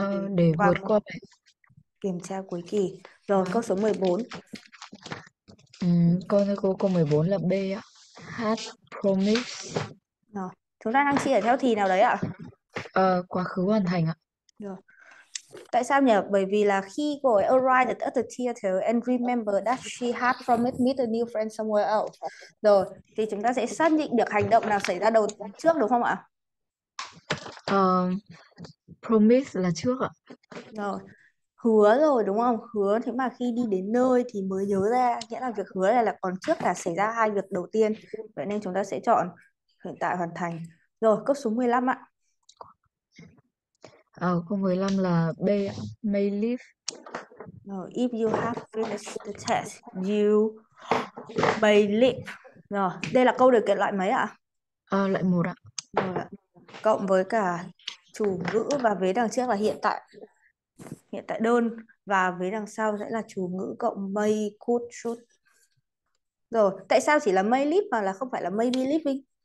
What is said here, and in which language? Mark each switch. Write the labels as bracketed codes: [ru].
[vi] Để vượt qua qua kiểm tra cuối kỳ. Rồi, câu số 14. con thấy cô 14 là B ạ. Had Rồi, chúng ta đang chia theo thì nào đấy ạ? quá khứ hoàn thành ạ. Rồi. Tại sao nhỉ? Bởi vì là khi cô ấy [en] arrived at the theater and remember that she had promised meet a new friend somewhere else. [vi] Rồi, thì chúng ta sẽ xác định được hành động nào xảy ra đầu trước đúng không ạ? Promise là trước ạ. Rồi. Hứa rồi đúng không? Hứa thế mà khi đi đến nơi thì mới nhớ ra, nghĩa là việc hứa này là còn trước cả xảy ra hai việc đầu tiên. Vậy nên chúng ta sẽ chọn hiện tại hoàn thành. Rồi, câu số 15 ạ. Lăm là B, may [en] Rồi, if you have finished the test, you may leave. [vi] Rồi, đây là câu điều kiện loại mấy ạ? lại một ạ. Rồi ạ. Cộng với cả chủ ngữ và vế đằng trước là hiện tại đơn và vế đằng sau sẽ là chủ ngữ cộng may could should. Rồi, tại sao chỉ là may leave mà là không phải là [en] may be leaving?